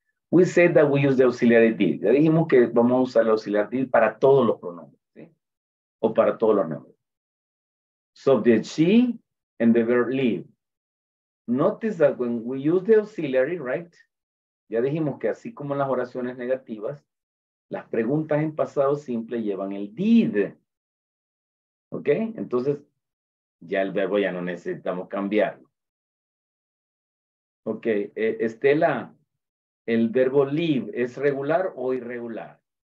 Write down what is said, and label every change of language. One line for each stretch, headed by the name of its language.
English: We said that we use the auxiliary did.
Spanish: Ya dijimos que vamos a usar el auxiliary did para todos los pronombres, ¿sí? O para todos los nombres.
English: So, the she and the verb live. Notice that when we use the auxiliary, right?
Spanish: Ya dijimos que así como las oraciones negativas, las preguntas en pasado simple llevan el did. Ok. Entonces, ya el verbo ya no necesitamos cambiarlo. Ok, Estela, ¿el verbo leave es regular o irregular?